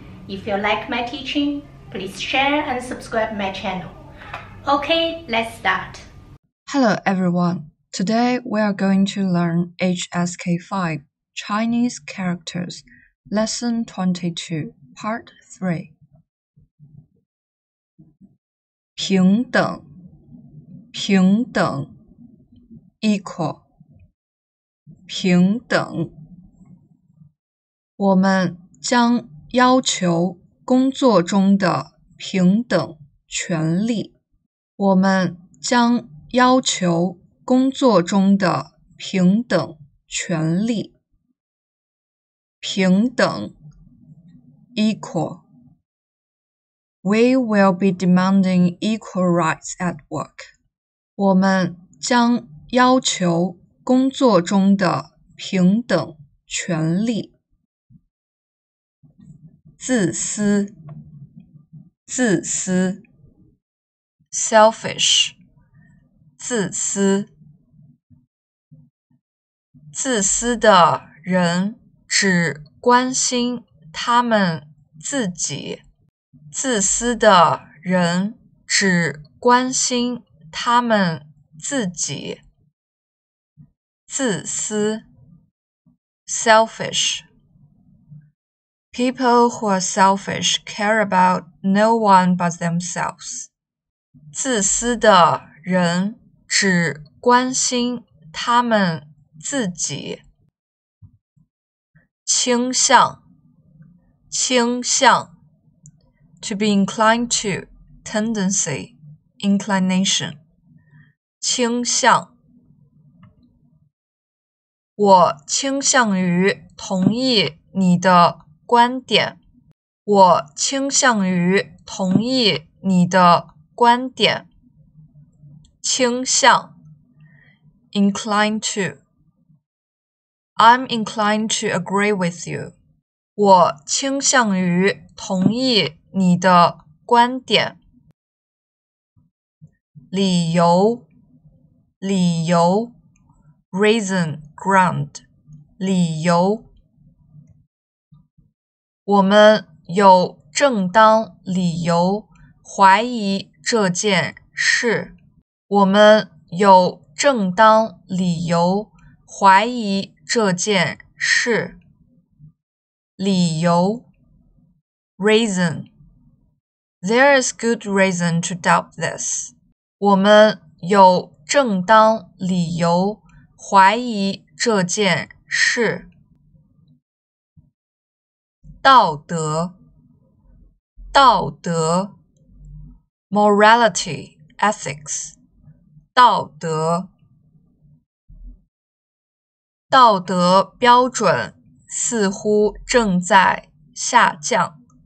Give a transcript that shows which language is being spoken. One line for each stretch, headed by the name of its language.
English: If you like my teaching, please share and subscribe my channel. Okay, let's start. Hello everyone. Today we are going to learn HSK5 Chinese Characters, Lesson 22, Part 3.
Chinese: 平等，平等 ，equal， 平等。我们将要求工作中的平等权利。我们将要求工作中的平等权利。平等 ，equal。
English: We will be demanding equal rights at work.
Chinese: 我们将要求工作中的平等权利。自私，自私 ，selfish， 自私。自私的人只关心他们自己。自私的人只关心他们自己。自私 ，selfish。
English: People who are selfish care about no one but themselves。
Chinese: 自私的人只关心他们自己。倾向，倾向。
English: To be inclined to, tendency, inclination.
Chinese: 倾向我倾向于同意你的观点。我倾向于同意你的观点。倾向
English: inclined to. I'm inclined to agree with you.
Chinese: 我倾向于同意你的观点，理由，理由 ，
English: reason, ground,
Chinese: 理由。我们有正当理由怀疑这件事。我们有正当理由怀疑这件事。理由 ，reason。
English: There is good reason to doubt this.
Chinese: 我们有正当理由怀疑这件事。道德，道德 ，
English: morality, ethics,
Chinese: 道德，道德标准似乎正在下降。